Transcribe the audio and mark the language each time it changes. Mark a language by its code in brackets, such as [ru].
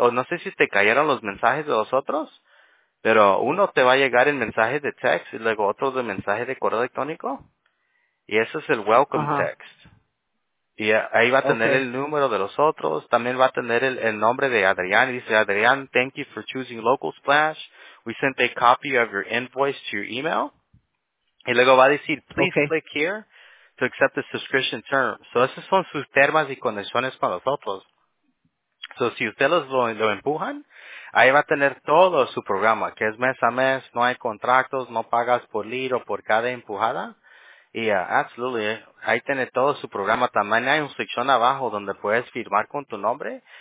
[es] No sé si te cayeron los mensajes de los otros, pero uno te va a llegar el mensaje de text y luego otro de mensaje de correo electrónico. Y ese es el welcome uh-huh. text. Y ahí va a tener okay. el número de los otros. También va a tener el nombre de Adrián. Y dice, Adrián, [en] thank you for choosing Local Splash. We sent a copy of your invoice to your email. [es] Y luego va a decir, [en] please okay. click here to accept the subscription term. [es] So, esos son sus termas y condiciones con nosotros. So, si usted lo empujan, ahí va a tener todo su programa, que es mes a mes, no hay contratos, no pagas por lead o por cada empujada. [en] Yeah, absolutely. [es] Ahí tiene todo su programa. También hay una sección abajo donde puedes firmar con tu nombre.